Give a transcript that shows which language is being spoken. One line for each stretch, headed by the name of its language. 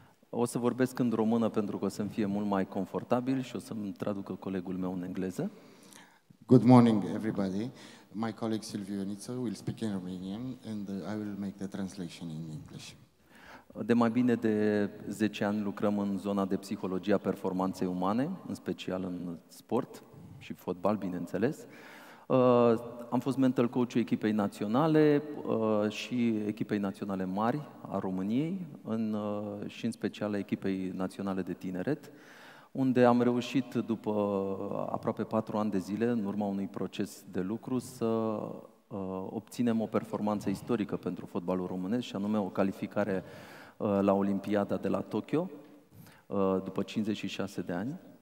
Romanian: O să vorbesc în română pentru că o să-mi fie mult mai confortabil și o să-mi traducă colegul meu în engleză.
English: Good morning, everybody. My colleague Silvio Ioita will speak in Romanian and I will make the translation in English.
Romanian: De mai bine de 10 ani lucrăm în zona de psihologia performanței umane, în special în sport și fotbal, bineînțeles. Am fost mental coach-ul echipei naționale și echipei naționale mari a României și în special a echipei naționale de tineret, unde am reușit după aproape 4 ani de zile, în urma unui proces de lucru, să obținem o performanță istorică pentru fotbalul românesc, și anume o calificare la Olimpiada de la Tokyo după 56 de ani.